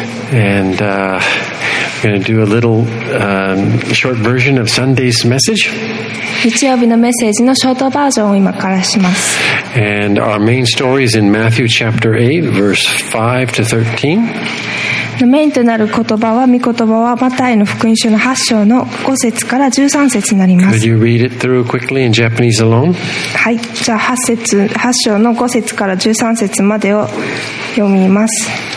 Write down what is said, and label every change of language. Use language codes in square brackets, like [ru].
[en] And we're going to do a little short version of Sunday's message. [ja] 日曜日のメッセージのショートバージョンを今からします。 [en] And our main story is in Matthew chapter 8, verse 5 to 13. [ja] メインとなる言葉は、御言葉はマタイの福音書の8章の5節から13節になります。 [en] Could you read it through quickly in Japanese alone? [ja] はい。じゃあ8章の5節から13節までを読みます。